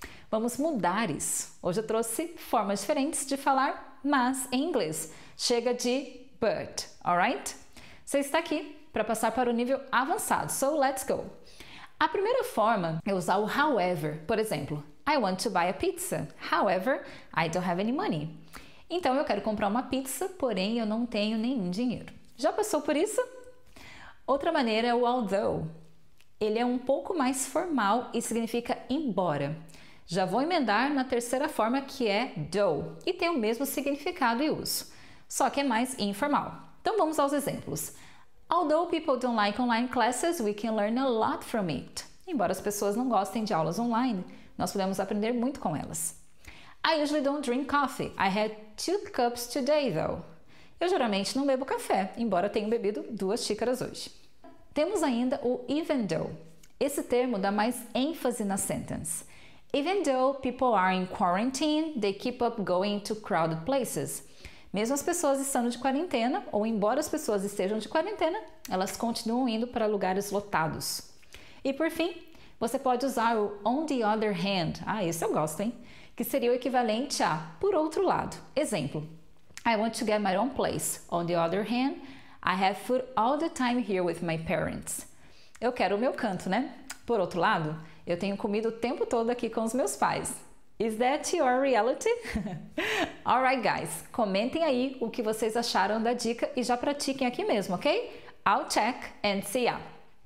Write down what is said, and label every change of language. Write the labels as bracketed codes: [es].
[pt] Vamos mudar isso. Hoje eu trouxe formas diferentes de falar mas em inglês. Chega de but, [en] alright? [pt] Você está aqui para passar para o nível avançado, [en] so let's go. [pt] A primeira forma é usar o however, por exemplo. [en] I want to buy a pizza. However, I don't have any money. [pt] Então, eu quero comprar uma pizza, porém eu não tenho nenhum dinheiro. Já passou por isso? Outra maneira é o although. Ele é um pouco mais formal e significa embora. Já vou emendar na terceira forma, que é though, e tem o mesmo significado e uso, só que é mais informal. Então, vamos aos exemplos. [en] Although people don't like online classes, we can learn a lot from it. [pt] Embora as pessoas não gostem de aulas online, nós podemos aprender muito com elas. [en] I usually don't drink coffee. I had two cups today, though. [pt] Eu geralmente não bebo café, embora tenha bebido duas xícaras hoje. Temos ainda o even though. Esse termo dá mais ênfase na sentence. [en] Even though people are in quarantine, they keep up going to crowded places. [pt] Mesmo as pessoas estando de quarentena, ou embora as pessoas estejam de quarentena, elas continuam indo para lugares lotados. E por fim, você pode usar o on the other hand. Ah, esse eu gosto, hein? Que seria o equivalente a por outro lado. [en] Exemplo: I want to get my own place. On the other hand, I have food all the time here with my parents. [pt] Eu quero o meu canto, né? Por outro lado, eu tenho comido o tempo todo aqui com os meus pais. [en] Is that your reality? Alright, guys, [pt] comentem aí o que vocês acharam da dica e já pratiquem aqui mesmo, ok? [en] I'll check and see ya!